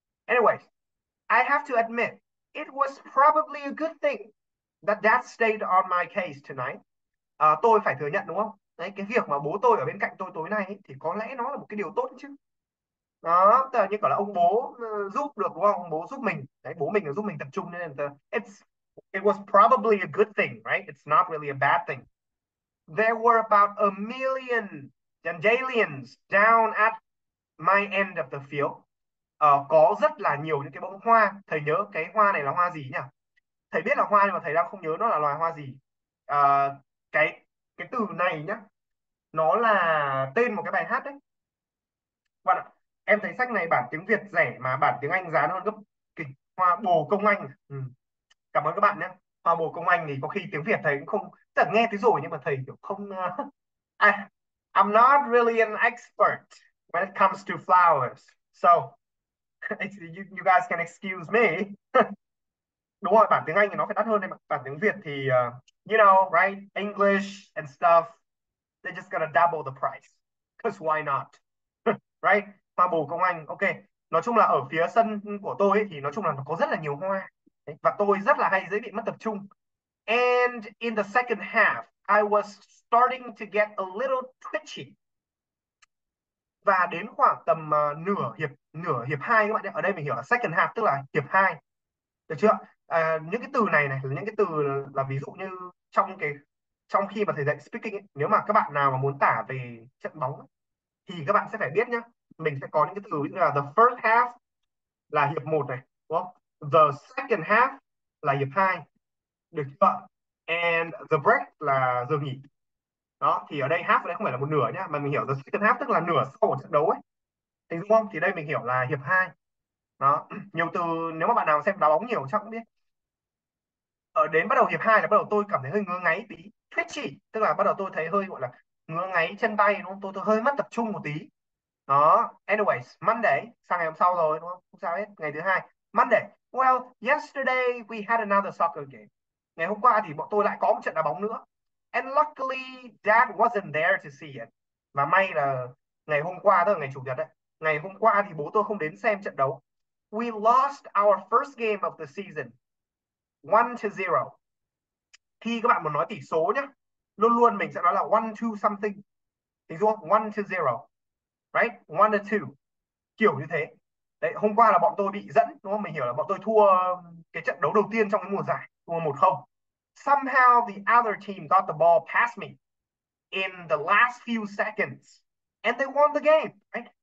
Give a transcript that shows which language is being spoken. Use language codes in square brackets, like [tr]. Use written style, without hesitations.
[en] Anyway, I have to admit, it was probably a good thing that dad stayed on my case tonight. [vi] Tôi phải thừa nhận đúng không? Đấy, cái việc mà bố tôi ở bên cạnh tối nay ấy, thì có lẽ nó là một cái điều tốt chứ. Đó, tức là như kiểu là ông bố giúp được đúng không? Ông bố giúp mình. Đấy, bố mình là giúp mình tập trung nên là [en] it was probably a good thing, right? It's not really a bad thing. There were about a million dandelions down at my end of the field. [vi] Có rất là nhiều những cái bông hoa. Thầy nhớ cái hoa này là hoa gì nhỉ? Thầy biết là hoa nhưng mà thầy đang không nhớ nó là loài hoa gì. Cái từ này nhá, nó là tên một cái bài hát đấy. Bạn ạ, em thấy sách này bản tiếng Việt rẻ mà bản tiếng Anh giá nó gấp kịch. Hoa bồ công anh. Ừ. Cảm ơn các bạn nhé. Hoa bồ công anh thì có khi tiếng Việt thầy cũng không, tức là nghe thấy rồi nhưng mà thầy kiểu không. [en] I'm not really an expert when it comes to flowers. So, you guys can excuse me. [vi] Đúng rồi, bản tiếng Anh thì nó phải đắt hơn đấy mà. Bản tiếng Việt thì, right? [en] English and stuff, they're just gonna double the price. Because why not? Right? [vi] Hoa bồ công anh, [en] ok. [vi] Nói chung là ở phía sân của tôi ấy, thì nói chung là nó có rất là nhiều hoa. Đấy. Và tôi rất là hay dễ bị mất tập trung. [en] And in the second half, I was starting to get a little twitchy. [vi] Và đến khoảng tầm nửa hiệp 2 các bạn nhé. Ở đây mình hiểu là second half tức là hiệp 2. Được chưa? Những cái từ này này là những cái từ là ví dụ như trong khi mà thầy dạy speaking ấy, nếu mà các bạn nào mà muốn tả về trận bóng ấy, thì các bạn sẽ phải biết nhá. Mình sẽ có những cái từ như là the first half là hiệp 1 này, đúng không? The second half là hiệp 2. Được chưa? And the break là giờ nghỉ. Đó, thì ở đây half đấy không phải là một nửa nhá, mà mình hiểu the second half tức là nửa sau của trận đấu ấy. Thì đúng không? Thì đây mình hiểu là hiệp 2. Đó, nhiều từ nếu mà bạn nào xem đá bóng nhiều chắc cũng biết. Ở đến bắt đầu hiệp 2 là bắt đầu tôi cảm thấy hơi ngứa ngáy tí, twitchy, tức là bắt đầu tôi thấy hơi gọi là ngứa ngáy chân tay đúng không? Tôi hơi mất tập trung một tí. Đó, [en] anyways, Monday, [vi] sang ngày hôm sau rồi đúng không? Không sao hết, ngày thứ hai. [en] Monday, well, yesterday we had another soccer game. [vi] Ngày hôm qua thì bọn tôi lại có một trận đá bóng nữa. [en] And luckily, Dad wasn't there to see it. [vi] Và may là ngày hôm qua, tức là ngày chủ nhật đấy. Ngày hôm qua thì bố tôi không đến xem trận đấu. [en] We lost our first game of the season. 1 to 0. [vi] Khi các bạn muốn nói tỷ số nhé, luôn luôn mình sẽ nói là 1 to something. Hình dung không? 1 to 0. Right? 1 to 2. Kiểu như thế. Đấy, hôm qua là bọn tôi bị dẫn, đúng không? Mình hiểu là bọn tôi thua cái trận đấu đầu tiên trong cái mùa giải. Thua 1-0. [en] Somehow the other team got the ball past me in the last few seconds and they won the game, right?